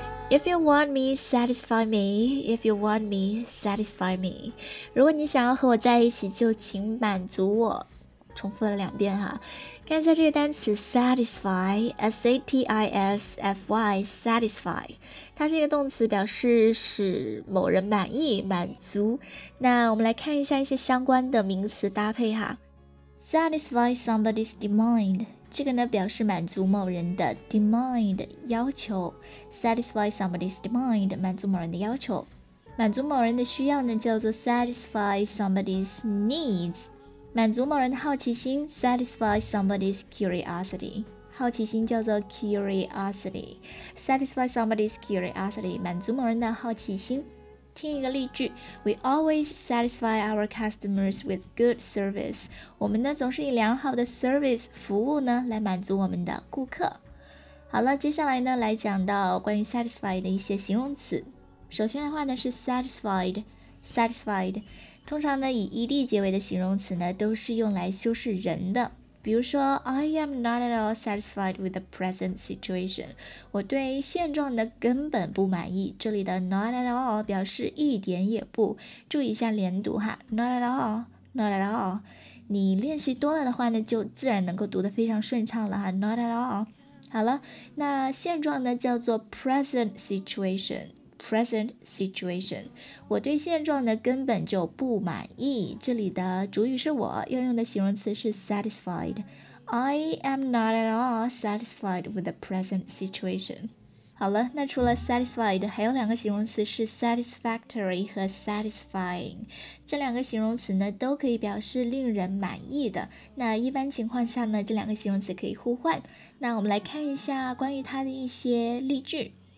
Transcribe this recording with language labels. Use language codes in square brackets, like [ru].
[en] If you want me, satisfy me. If you want me, satisfy me. [zh] 如果你想要和我在一起就请满足我，重复了两遍哈。看一下这个单词 satisfy， S-A-T-I-S-F-Y， satisfy， 它是一个动词，表示使某人满意满足。那我们来看一下一些相关的名词搭配哈。 [en] satisfy somebody's demand， [zh] 这个呢表示满足某人的 demand 要求。 [en] satisfy somebody's demand， [zh] 满足某人的要求。满足某人的需要呢叫做 [en] satisfy somebody's needs， [zh] 满足某人的好奇心 ， [en] satisfy somebody's curiosity。 [zh] 好奇心叫做 curiosity。 [en] satisfy somebody's curiosity， [zh] 满足某人的好奇心。听一个例句 [en] ，We always satisfy our customers with good service。 [zh] 我们呢总是以良好的 service 服务呢来满足我们的顾客。好了，接下来呢来讲到关于 satisfy 的一些形容词。首先的话呢是 satisfied。通常呢以 ed 结尾的形容词呢都是用来修饰人的，比如说 [en] I am not at all satisfied with the present situation， [zh] 我对现状的根本不满意。这里的 [en] not at all [zh] 表示一点也不，注意一下连读哈， not at all， not at all， 你练习多了的话呢就自然能够读得非常顺畅了哈， not at all。好了，那现状呢叫做 [en] present situationPresent situation， [zh] 我对现状呢根本就不满意。这里的主语是我，要用的形容词是 satisfied。 [en] I am not at all satisfied with the present situation。 [zh] 好了，那除了 satisfied， 还有两个形容词是 satisfactory 和 satisfying。这两个形容词呢都可以表示令人满意的。那一般情况下呢，这两个形容词可以互换。那我们来看一下关于它的一些例句。